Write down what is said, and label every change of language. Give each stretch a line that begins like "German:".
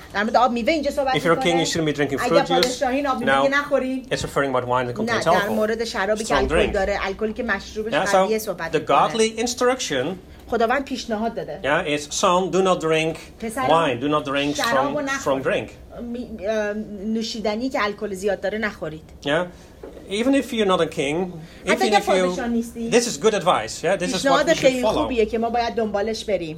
English: If you're a king, you shouldn't be drinking fruit juice. No, it's referring about wine that contains alcohol. Strong drink. Yeah, so the godly instruction is, son, do not drink wine. Do not drink strong drink.
Persian: نوشیدنی که الکل زیاد داره نخورید.
English: Yeah. Even if you're not a king, if you're
Persian: نیستی.
English: This is good advice. Yeah, this is what
Persian: خیلی خوبیه که ما باید دنبالش بریم.